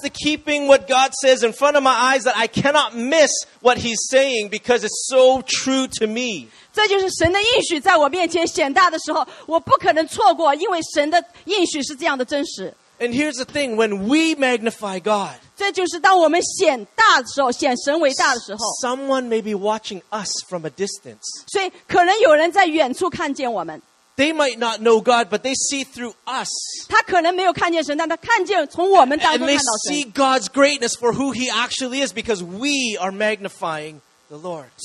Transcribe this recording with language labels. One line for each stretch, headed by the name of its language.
English: the keeping what God says in front of my eyes that I cannot miss what He's saying because it's so true to me.
Chinese: 这就是神的应许在我面前显大的时候，我不可能错过，因为神的应许是这样的真实。
English: And here's the thing, when we magnify God,
Chinese: 这就是当我们显大的时候，显神伟大的时候,
English: someone may be watching us from a distance.
Chinese: 所以可能有人在远处看见我们。
English: They might not know God, but they see through us.
Chinese: 他可能没有看见神，但他看见从我们当中看到神。
English: And they see God's greatness for who He actually is because we are magnifying the Lord.